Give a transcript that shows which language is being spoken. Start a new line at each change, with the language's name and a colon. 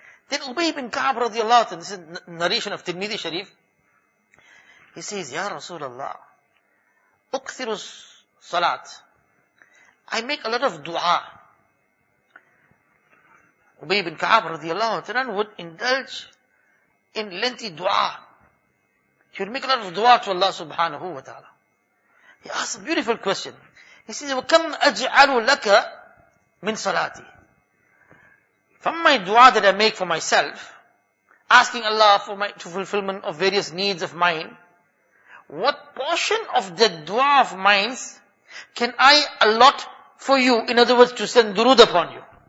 English: Then Ubay ibn Ka'b radiallahu anhu, this is narration of Tirmidhi Sharif, he says, Ya Rasulullah, Ukthiru Salat, I make a lot of dua. Ubay ibn Ka'ab radiallahu ta'ala would indulge in lengthy dua. He would make a lot of dua to Allah subhanahu wa ta'ala. He asks a beautiful question.
Arabic: He says, وَكَمْ أَجْعَلُ لَكَ مِنْ صَلَاتِ.
English: From my dua that I make for myself, asking Allah for my to fulfillment of various needs of mine, what portion of the dua of mine can I allot for you? In other words, to send durood upon you.